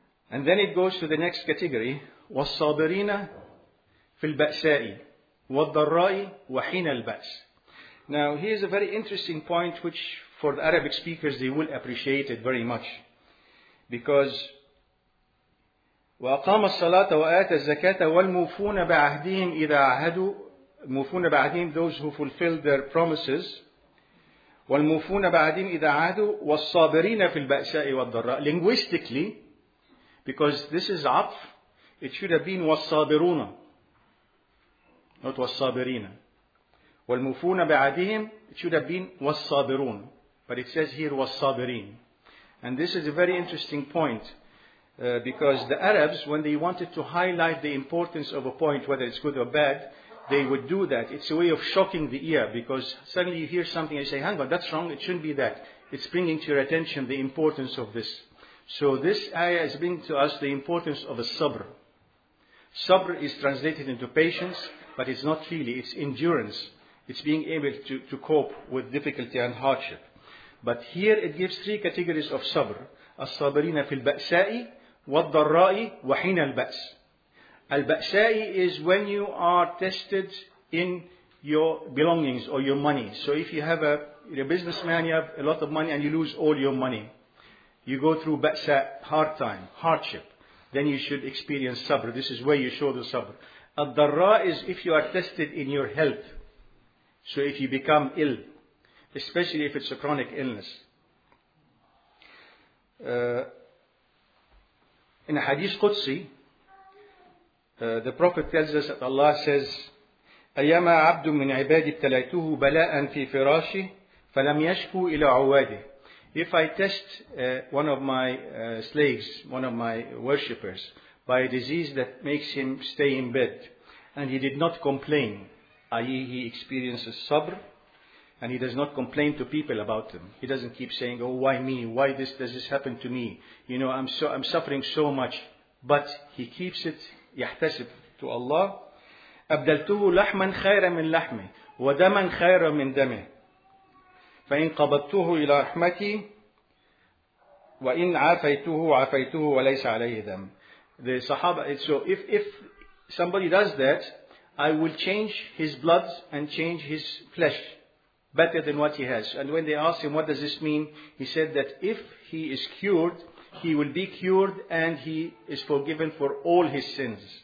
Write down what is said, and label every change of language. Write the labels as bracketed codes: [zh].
[en] And then it goes to the next category, [ar] وَالصَّابِرِينَ فِي الْبَأْسَاءِ وَالضَّرَّاءِ وَحِينَ الْبَأْسِ. [en] Now, here's a very interesting point, which for the Arabic speakers, they will appreciate it very much. [ar] Because وَأَقَامَ الصَّلَاةَ وَآتَ الزَّكَاةَ وَالْمُوفُونَ بَعَهْدِهِمْ إِذَا عَهَدُوا. مُوفُونَ بَعَهْدِهِمْ, [en] those who fulfilled their promises. [ar] وَالْمُوفُونَ بَعَهْدِهِمْ إِذَا عَهَدُوا وَالصَّابِرِينَ فِي الْبَأْسَاءِ وَالضَّرَّاءِ. [en] Linguistically, because this is عَطْف, it should have been وَالصَّابِرُونَ, not وَالصَّابِرِينَ. [ar] وَالْمُوفُونَ بَعَهْدِهِمْ, [en] it should have been وَالصَّابِرُونَ. But it says here وَالصَّابِرِينَ. And this is a very interesting point. Because the Arabs, when they wanted to highlight the importance of a point, whether it's good or bad, they would do that. It's a way of shocking the ear, because suddenly you hear something and you say, "Hang on, that's wrong, it shouldn't be that." It's bringing to your attention the importance of this. So this ayah is bringing to us the importance of a sabr. Sabr is translated into patience, but it's not really, it's endurance. It's being able to cope with difficulty and hardship. But here it gives three categories of sabr. [ar] الصابرين في البأساء والضراء وحين البأس. [en] البأساء is when you are tested in your belongings or your money. So if you have a businessman, you have a lot of money and you lose all your money, you go through بأساء, hard time, hardship. Then you should experience sabr. This is where you show the sabr. الضراء is if you are tested in your health. So if you become ill, especially if it's a chronic illness. In a hadith Qudsi, the Prophet tells us that Allah says, [ar] أَيَّمَا عَبْدٌ مِّنْ عِبَادِ ابْتَلَيْتُهُ بَلَاءً فِي فِرَاشِهِ فَلَمْ يَشْكُوا إِلَىٰ عُوَادِهِ. [en] If I test one of my slaves, one of my worshippers, by a disease that makes him stay in bed, and he did not complain, i.e. he experiences sabr, and he does not complain to people about them. He doesn't keep saying, "Oh, why me? Why does this happen to me? You know, I'm suffering so much." But he keeps it, يحتسب to Allah. [ar] أبدلته لحما خيرا من لحمه ودما خيرا من دمه فإن قبضته إلى رحمتي وإن عافيته عافيته وليس عليه دم. [en] The Sahaba, so if somebody does that, I will change his blood and change his flesh better than what he has. And when they asked him, what does this mean? He said that if he is cured, he will be cured and he is forgiven for all his sins.